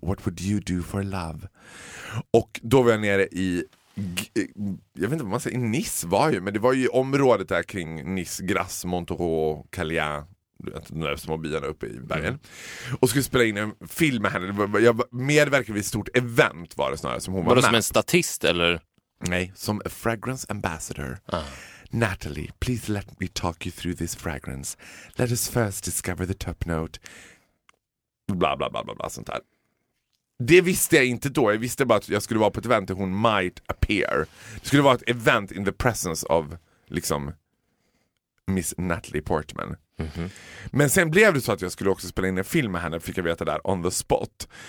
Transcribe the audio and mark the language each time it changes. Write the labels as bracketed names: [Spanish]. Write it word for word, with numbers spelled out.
[English] What would you do for love? [Swedish] Och då var jag nere i... Jag vet inte vad man säger. Nice var ju. Men det var ju området där kring Nice, Grasse, Montereau, Calais. De där små byarna uppe i bergen. Mm. Och skulle spela in en film med henne. Jag medverkade vid ett stort event var det snarare. Som hon var var det med. Som en statist eller? Nej, som [English] a fragrance ambassador. [Swedish] Ah. [English] Natalie, please let me talk you through this fragrance. Let us first discover the top note. [Swedish] Bla bla bla bla bla, sånt här. Det visste jag inte då. Jag visste bara att jag skulle vara på ett event där hon [English] might appear. [Swedish] Det skulle vara ett event [English] in the presence of [Swedish] liksom Miss Natalie Portman. Mm-hmm. Men sen blev det så att jag skulle också spela in en film med henne. Fick jag veta där [English] on the spot.